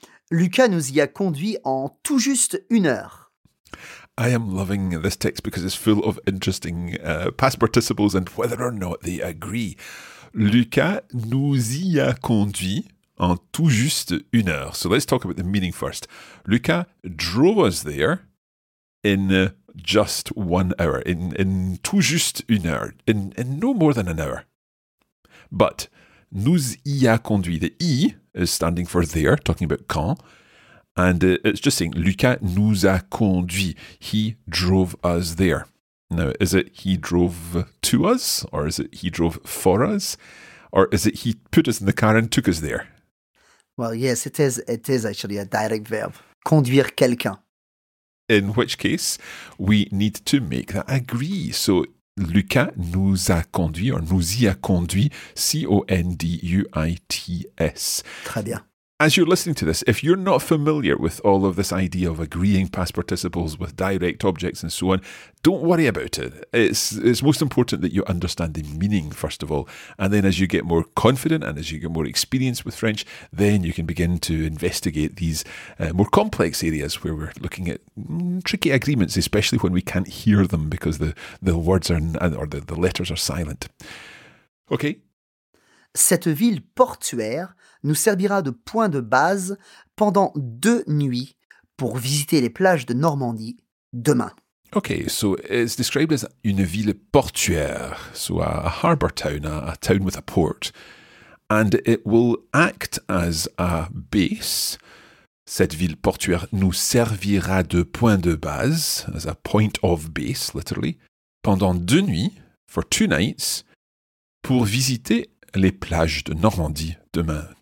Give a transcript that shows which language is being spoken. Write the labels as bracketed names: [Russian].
[French] Lucas nous y a conduit en tout juste une heure. [English] I am loving this text because it's full of interesting past participles and whether or not they agree. [French] Lucas nous y a conduit en tout juste une heure. [English] So let's talk about the meaning first. Lucas drove us there in just 1 hour, in [French] tout juste une heure, [English] in no more than an hour. But [French] nous y a conduit, [English] the I is standing for there, talking about quand. And it's just saying, [French] Lucas nous a conduit. [English] He drove us there. Now, is it he drove to us? Or is it he drove for us? Or is it he put us in the car and took us there? Well, yes, it is actually a direct verb. [French] Conduire quelqu'un. [English] In which case, we need to make that agree. So, [French] Lucas nous a conduit, [English] or [French] nous y a conduit, [English] C-O-N-D-U-I-T-S. [French] Très bien. [English] As you're listening to this, if you're not familiar with all of this idea of agreeing past participles with direct objects and so on, don't worry about it. It's most important that you understand the meaning, first of all. And then as you get more confident and as you get more experience with French, then you can begin to investigate these more complex areas where we're looking at tricky agreements, especially when we can't hear them because the words are or the letters are silent. Okay? [French] Cette ville portuaire nous servira de point de base pendant deux nuits pour visiter les plages de Normandie demain. [English] Okay, so it's described as [French] une ville portuaire, [English] so a harbour town, a town with a port. And it will act as a base. [French] Cette ville portuaire nous servira de point de base, [English] as a point of base, literally, [French] pendant deux nuits, [English] for two nights, [French] pour visiter les plages de Normandie demain.